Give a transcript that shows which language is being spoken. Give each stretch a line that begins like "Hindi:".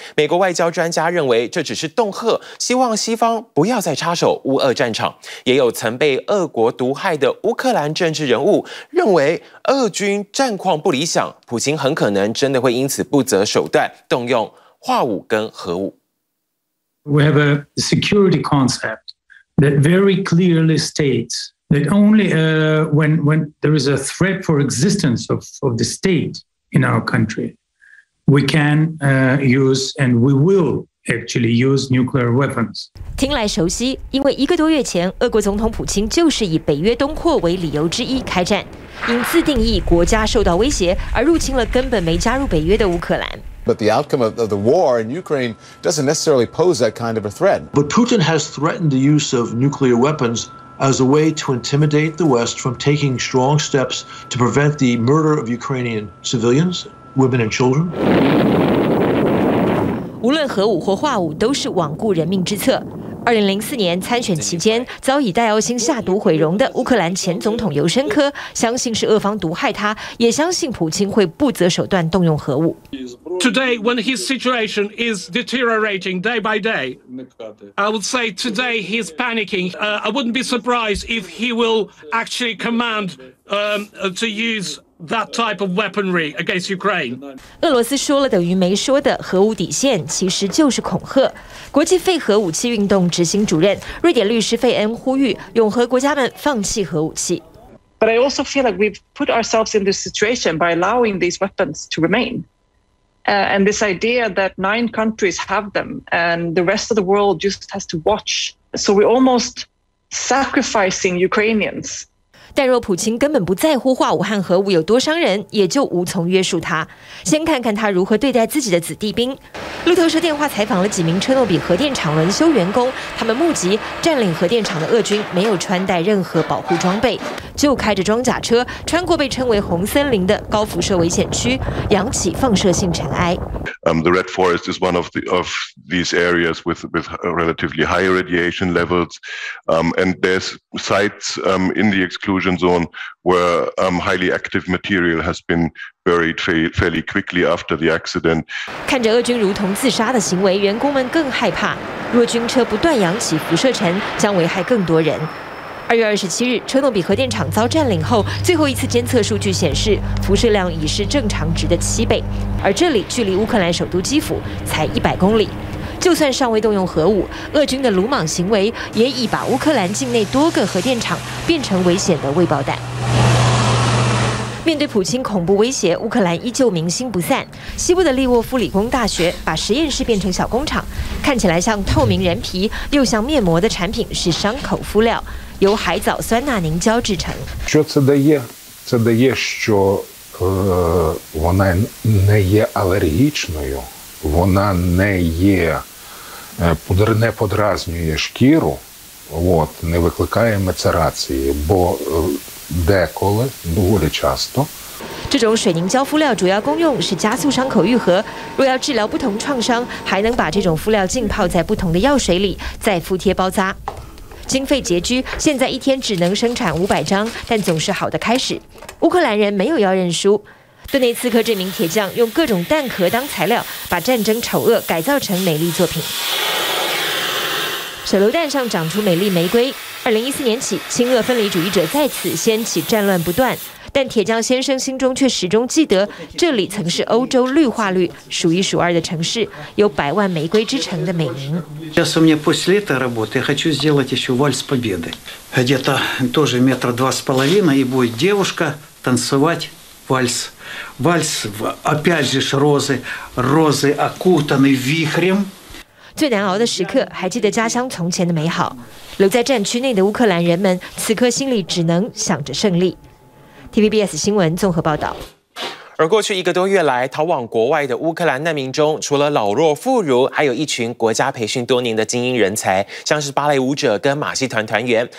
Chinese: 美国外交专家认为这只是恫吓，希望西方不要再插手乌俄战场。也有曾被俄国毒害的乌克兰政治人物认为俄军战况不理想，普京很可能真的会因此不择手段动用化武跟核武。
English: We have a security concept that very clearly states that only when there is a threat for existence of the state in our country, we can use and we will actually use nuclear weapons.
Chinese: 听来熟悉，因为一个多月前，俄国总统普京就是以北约东扩为理由之一开战，因自定义国家受到威胁而入侵了根本没加入北约的乌克兰。
English: But the outcome of the war in Ukraine doesn't necessarily pose that kind of a threat. But Putin has threatened the use of nuclear weapons as a way to intimidate the West from taking strong steps to prevent the murder of Ukrainian civilians, women and children.
Chinese: 无论核武或化武都是罔顾人命之策。2004年参选期间遭以戴奥辛下毒毁容的乌克兰前总统尤申科，相信是俄方毒害他，也相信普京会不择手段动用核武。
English: Today, when his situation is deteriorating day by day, I would say today he's panicking. I wouldn't be surprised if he will actually command to use that type of weaponry against Ukraine.
Chinese: 俄罗斯说了等于没说的核武底线，其实就是恐吓。国际废核武器运动执行主任瑞典律师费恩呼吁永和国家们放弃核武器。
English: But I also feel like we've put ourselves in this situation by allowing these weapons to remain. And this idea that 9 countries have them and the rest of the world just has to watch. So we're almost sacrificing Ukrainians.
Chinese: 但若普京根本不在乎化武和核武有多伤人，也就无从约束他。先看看他如何对待自己的子弟兵。路透社电话采访了几名车诺比核电厂轮休员工，他们目击占领核电厂的俄军没有穿戴任何保护装备，就开着装甲车穿过被称为红森林的高辐射危险区，扬起放射性尘埃。
English: The Red Forest is one of these areas with relatively high radiation levels, and there's sites in the exclusion zone where highly active material has been buried fairly quickly after the accident.
Chinese: 看着俄军如同自杀的行为，员工们更害怕。若军车不断扬起辐射尘，将危害更多人。二月二十七日，车诺比核电厂遭占领后，最后一次监测数据显示，辐射量已是正常值的七倍。而这里距离乌克兰首都基辅才100公里。就算尚未动用核武，俄军的鲁莽行为也已把乌克兰境内多个核电厂变成危险的未爆弹。面对普京恐怖威胁，乌克兰依旧民心不散。西部的利沃夫理工大学把实验室变成小工厂，看起来像透明人皮又像面膜的产品是伤口敷料，由海藻酸钠凝胶制成。
Ukrainian: Що це дає? Це дає, що вона не є алергічною, вона не є не подразнює шкіру, от не викликає мецерації, бо деколи доволі часто。
Chinese: 这种水凝胶敷料主要功用是加速伤口愈合，若要治疗不同创伤，还能把这种敷料浸泡在不同的药水里，再敷贴包扎。经费拮据，现在一天只能生产500张，但总是好的开始。乌克兰人没有要认输。顿内茨克这名铁匠用各种弹壳当材料，把战争丑恶改造成美丽作品。手榴弹上长出美丽玫瑰。2014年起，亲俄分离主义者再次掀起战乱不断，但铁匠先生心中却始终记得，这里曾是欧洲绿化率数一数二的城市，有百万玫瑰之城的美名。
Russian: Сейчас у меня после этой работы хочу сделать еще вальс победы, где-то тоже 2.5 метра и будет девушка танцевать вальс, вальс опять же розы, розы окутаны вихрем。
Chinese: 最难熬的时刻，还记得家乡从前的美好。留在战区内的乌克兰人们，此刻心里只能想着胜利。 TVBS 新闻综合报道。而过去一个多月来，逃往国外的乌克兰难民中，除了老弱妇孺，还有一群国家培训多年的精英人才，像是芭蕾舞者跟马戏团团员。